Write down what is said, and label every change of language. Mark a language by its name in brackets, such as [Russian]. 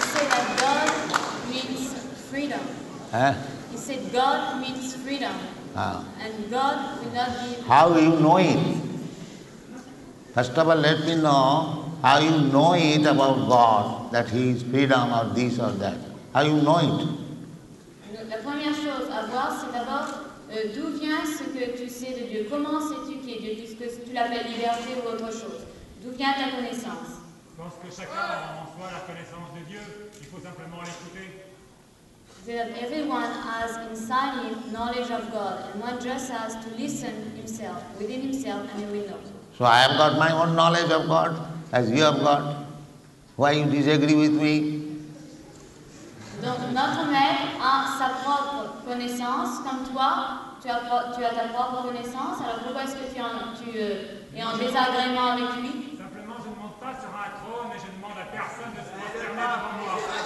[English] said that God means freedom. He said God means freedom. Ah. And God will not give. How do you know it? First of all, let me know how you know it about God, that He is freedom or this or that. How you know it? [French] La première chose à voir, c'est d'abord d'où vient ce que tu sais de Dieu. Comment sais-tu qui est Dieu, puisque tu l'appelles liberté ou autre chose. D'où vient ta connaissance? Je pense que chacun a en soi la connaissance de Dieu. Il faut simplement l'écouter. [English] Everyone has inside him knowledge of God, and one just has to listen himself, within himself, and he will know. So I have got my own knowledge of God, as you have got. Why you disagree with me? [French] Donc notre maître a sa propre connaissance, comme toi, tu as ta propre connaissance, alors pourquoi est-ce que tu es en désagrément avec lui? Simplement, je ne monte pas sur un trône et je ne demande à personne de se prosterner devant moi.